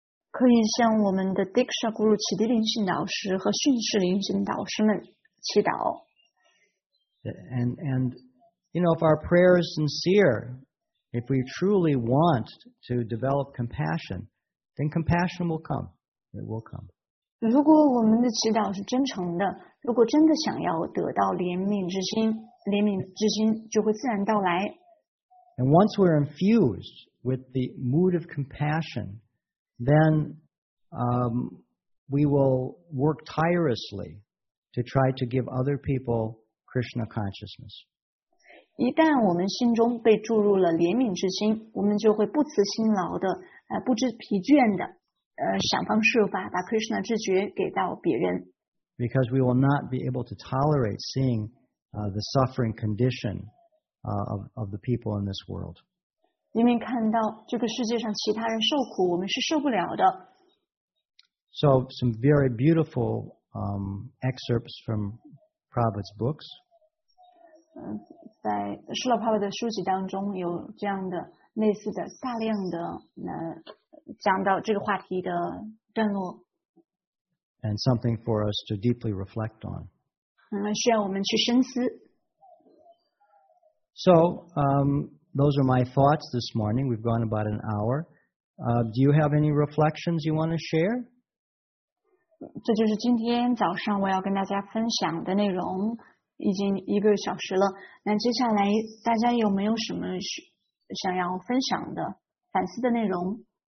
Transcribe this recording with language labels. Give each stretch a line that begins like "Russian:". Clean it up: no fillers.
Chinese: 可以向我们的 Diksha Guru 启迪灵性导师和训示灵性导师们祈祷。
English: And you know, if our prayer is sincere, if we truly want to develop compassion, then compassion will come. It will come.
Chinese: 如果我们的祈祷是真诚的，如果真的想要得到怜悯之心，怜悯之心就会自然到来。
English: And once we're infused with the mood of compassion, then we will work tirelessly to try to give other people Krishna consciousness.
Chinese: 一旦我们心中被注入了怜悯之心，我们就会不辞辛劳的，不知疲倦的，想方设法把 Krishna 知觉给到别人。
English: Because we will not be able to tolerate seeing the suffering condition of the people in this world.
Chinese: 因为看到这个世界上其他人受苦，我们是受不了的。
English: So some very beautiful excerpts from Prabhupada's books.
Chinese: 在释迦牟尼佛的书籍当中有这样的类似的大量的讲到这个话题的段落。
English: And something for us to deeply reflect on.
Chinese: 需要我们去深思。
English: So, those are my thoughts this morning. We've gone about an hour. Do you have any reflections you want to share?
Chinese: 这就是今天早上我要跟大家分享的内容，已经一个小时了。那接下来大家有没有什么想要分享的、反思的内容？